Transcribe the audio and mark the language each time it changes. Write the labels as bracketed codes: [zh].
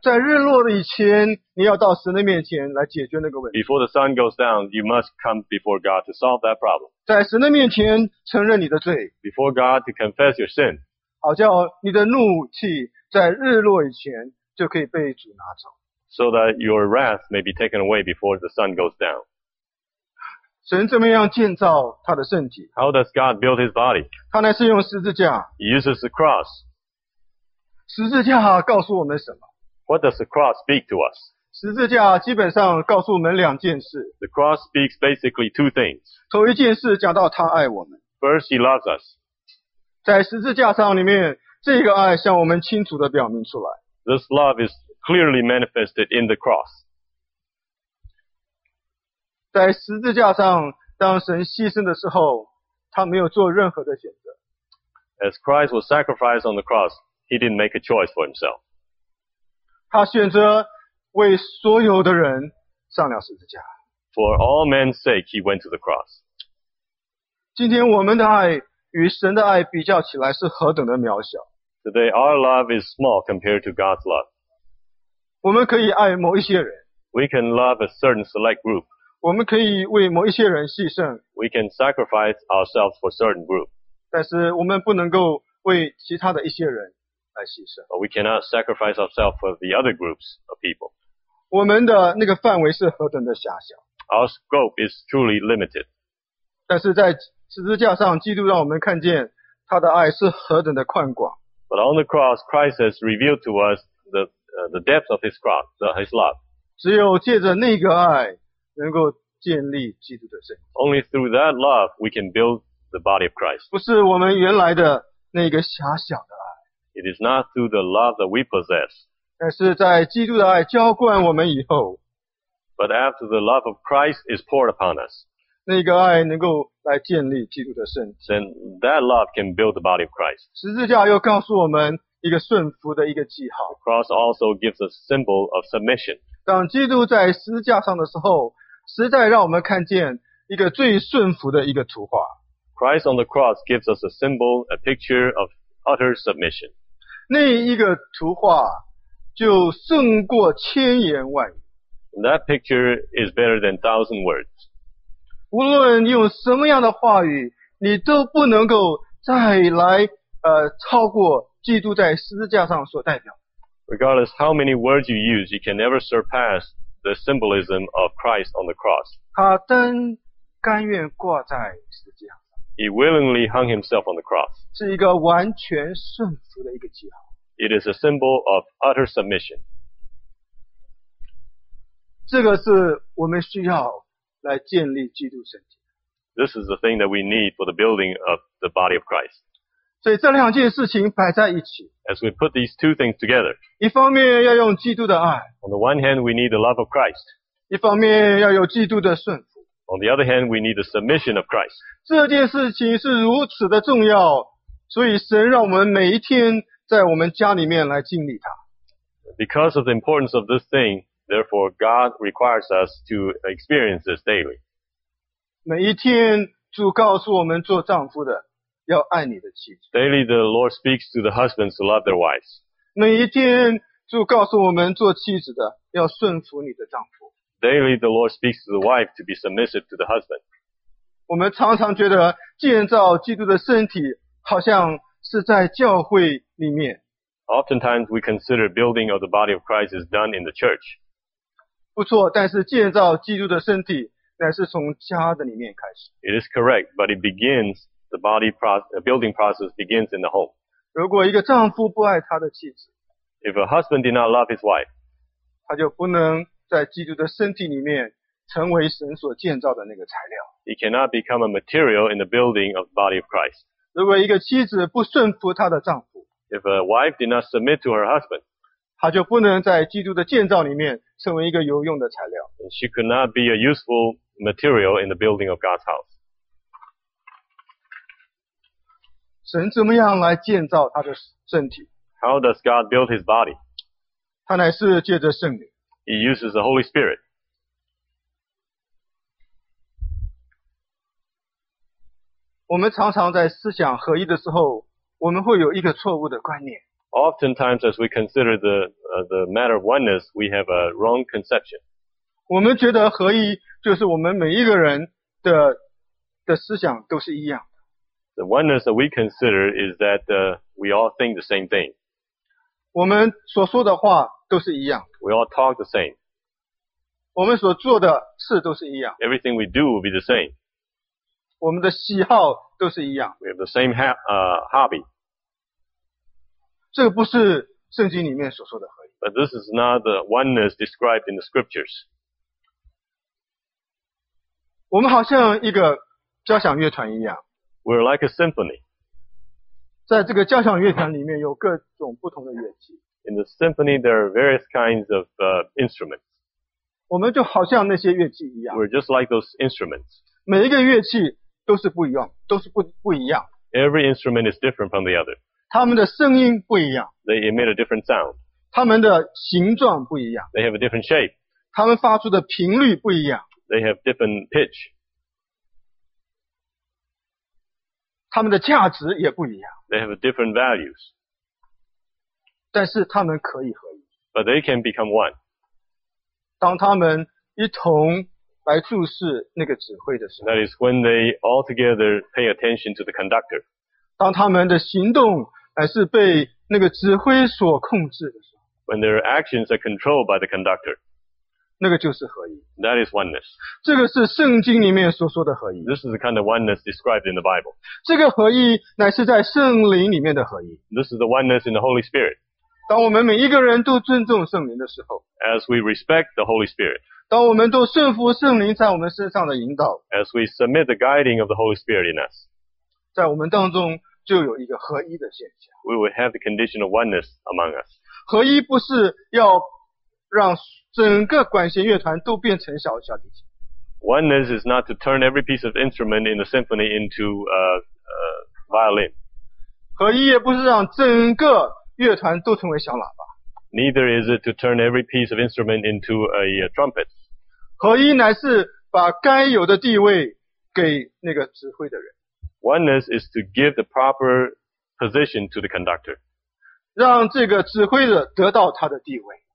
[zh] 在日落以前你要到神的面前来解决那个问题。 [en] Before the sun goes down, you must come before God to solve that problem. [zh] 在神的面前承认你的罪。 [en] Before God to confess your sin. [zh] 好叫你的怒气在日落以前就可以被主拿走。 [en] So that your wrath may be taken away before the sun goes down. [zh] 神怎么样建造他的身体？ [en] How does God build his body? [zh] 他乃是用十字架。 [en] He uses the cross. [zh] 十字架告诉我们什么？ [en] What does the cross speak to us? [zh] 十字架基本上告诉我们两件事。 [en] The cross speaks basically two things. [zh] 头一件事讲到他爱我们。 [en] First, he loves us. [zh] 在十字架上里面，这个爱向我们清楚地表明出来。 [en] This love is clearly manifested in the cross. [zh] 在十字架上，当神牺牲的时候，他没有做任何的选择。 [en] As Christ was sacrificed on the cross, he didn't make a choice for himself. [zh] 他选择为所有的人上了十字架。 [en] For all men's sake, he went to the cross. [zh] 今天我们的爱与神的爱比较起来是何等的渺小。 [en] Today, our love is small compared to God's love. [zh] 我们可以爱某一些人。 [en] We can love a certain select group. [zh] 我们可以为某一些人牺牲。 [en] We can sacrifice ourselves for a certain group. [zh] 但是我们不能够为其他的一些人来牺牲。 [en] But we cannot sacrifice ourselves for the other groups of people. [zh] 我们的那个范围是何等的狭小。 [en] Our scope is truly limited. [zh] 但是在十字架上，基督让我们看见他的爱是何等的宽广。 [en] But on the cross, Christ has revealed to us the depth of his cross, his love. [zh] 只有借着那个爱，能够建立基督的身体。 [en] Only through that love, we can build the body of Christ. [zh] 不是我们原来的那个狭小的爱。 [en] It is not through the love that we possess. [zh] 但是在基督的爱浇灌我们以后。 [en] But after the love of Christ is poured upon us. [zh] 那个爱能够来建立基督的身体。 [en] Then that love can build the body of Christ. [zh] 十字架又告诉我们一个顺服的一个记号。 [en] The cross also gives a symbol of submission. [zh] 当基督在十字架上的时候，实在让我们看见一个最顺服的一个图画。 [en] Christ on the cross gives us a symbol, a picture of utter submission. [zh] 那一个图画就胜过千言万语。 [en] That picture is better than 1,000 words. [zh] 无论用什么样的话语，你都不能够再来超过基督在十字架上所代表。 [en] Regardless how many words you use, you can never surpass the symbolism of Christ on the cross. [zh] 他单甘愿挂在十字架上。 [en] He willingly hung himself on the cross. [zh] 是一个完全顺服的一个记号。 [en] It is a symbol of utter submission. [zh] 这个是我们需要来建立基督身体。 [en] This is the thing that we need for the building of the body of Christ. [zh] 所以这两件事情摆在一起。 [en] As we put these two things together. [zh] 一方面要用基督的爱。 [en] On the one hand, we need the love of Christ. [zh] 一方面要有基督的顺服。 [en] On the other hand, we need the submission of Christ. [zh] 这件事情是如此的重要，所以神让我们每一天在我们家里面来经历它。 [en] Because of the importance of this thing,Therefore, God requires us to experience this daily. [zh] 每一天，主告诉我们做丈夫的要爱你的妻子。 [en] Daily, the Lord speaks to the husbands to love their wives. [zh] 每一天，主告诉我们做妻子的要顺服你的丈夫。 [en] Daily, the Lord speaks to the wife to be submissive to the husband. [zh] 我们常常觉得建造基督的身体好像是在教会里面。 [en] Oftentimes, we consider building of the body of Christ is done in the church. [zh] 不错，但是建造基督的身体乃是从家的里面开始。 [en] It is correct, but it begins, the body building process begins in the home. [zh] 如果一个丈夫不爱他的妻子， [en] If a husband did not love his wife, [zh] 他就不能在基督的身体里面成为神所建造的那个材料。 [en] He cannot become a material in the building of the body of Christ. [zh] 如果一个妻子不顺服他的丈夫， [en] If a wife did not submit to her husband, [zh] 她就不能在基督的建造里面成为一个有用的材料。 [en] She could not be a useful material in the building of God's house. [zh] 神怎么样来建造他的身体？ [en] How does God build his body? [zh] 他乃是借着圣灵。 [en] He uses the Holy Spirit. [zh] 我们常常在思想合一的时候，我们会有一个错误的观念。 [en] Oftentimes, as we consider the matter of oneness, we have a wrong conception. [zh] 我们觉得合一就是我们每一个人的思想都是一样的。 [en] The oneness that we consider is that we all think the same thing. [zh] 我们所说的话都是一样。 [en] We all talk the same. [zh] 我们所做的事都是一样。 [en] Everything we do will be the same. [zh] 我们的喜好都是一样。 [en] We have the same hobby. [zh] 这个不是圣经里面所说的合一。 [en] But this is not the oneness described in the scriptures. [zh] 我们好像一个交响乐团一样。 [en] We're like a symphony. [zh] 在这个交响乐团里面有各种不同的乐器。 [en] In the symphony, there are various kinds of instruments. [zh] 我们就好像那些乐器一样。 [en] We're just like those instruments. [zh] 每一个乐器都是不一样，都是不一样。 [en] Every instrument is different from the other. [zh] 它们的声音不一样。 [en] They emit a different sound. [zh] 它们的形状不一样。 [en] They have a different shape. [zh] 它们发出的频率不一样。 [en] They have different pitch. [zh] 他们的价值也不一样。 [en] They have different values. [zh] 但是他们可以合一。 [en] But they can become one. [zh] 当他们一同来注视那个指挥的时候。 [en] That is when they all together pay attention to the conductor. [zh] 当他们的行动还是被那个指挥所控制的时候。 [en] When their actions are controlled by the conductor. [zh] 那个就是合一。 [en] That is oneness. [zh] 这个是圣经里面所说的合一。 [en] This is the kind of oneness described in the Bible. [zh] 这个合一乃是在圣灵里面的合一。 [en] This is the oneness in the Holy Spirit. [zh] 当我们每一个人都尊重圣灵的时候。 [en] As we respect the Holy Spirit. [zh] 当我们都顺服圣灵在我们身上的引导。 [en] As we submit the guiding of the Holy Spirit in us. [zh] 在我们当中就有一个合一的现象。 [en] We will have the condition of oneness among us. [zh] 合一不是要让整个管弦乐团都变成小提琴。 [en] Oneness is not to turn every piece of instrument in the symphony into a violin. [zh] 合一也不是让整个乐团都成为小喇叭。 [en] Neither is it to turn every piece of instrument into a trumpet. [zh] 合一乃是把该有的地位给那个指挥的人。 [en] Oneness is to give the proper position to the conductor. [zh] 让这个指挥者得到他的地位。